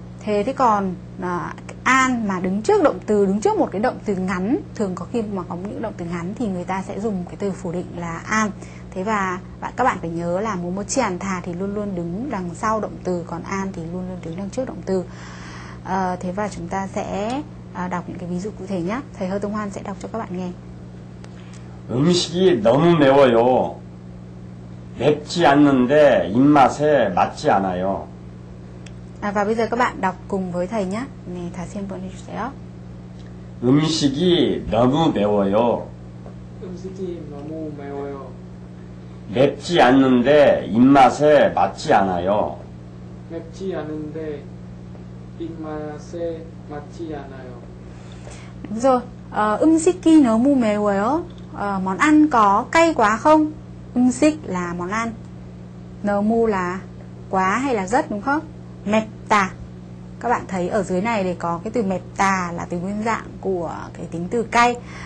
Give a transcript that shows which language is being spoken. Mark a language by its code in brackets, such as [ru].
[vi] Thế còn an mà đứng trước động từ, đứng trước một cái động từ ngắn, thường có khi mà có những động từ ngắn thì người ta sẽ dùng cái từ phủ định là an. Thế và các bạn phải nhớ là momo chian tha thì luôn luôn đứng đằng sau động từ, còn an thì luôn luôn đứng đằng trước động từ. Thế và chúng ta sẽ đọc những cái ví dụ cụ thể nhé. Thầy Hơ Tông Hoan sẽ đọc cho các bạn nghe. [ko] 음식이 너무 매워요. 맵지 않는데 입맛에 맞지 않아요. [vi] Và bây giờ các bạn đọc cùng với thầy nhé. [ko] 네, 다시 한번 해주세요. 음식이 너무 매워요. 음식이 너무 매워요. 맵지 않는데 입맛에 맞지 않아요. 맵지 않은데 입맛에 맞지 않아요. [vi] Đúng rồi, [ko] umsiki no mu meo yo, [vi] món ăn có cay quá không? Umsik là món ăn, no mu là quá hay là rất đúng không? Mepta, các bạn thấy ở dưới này thì có cái từ mepta là từ nguyên dạng của cái tính từ cay.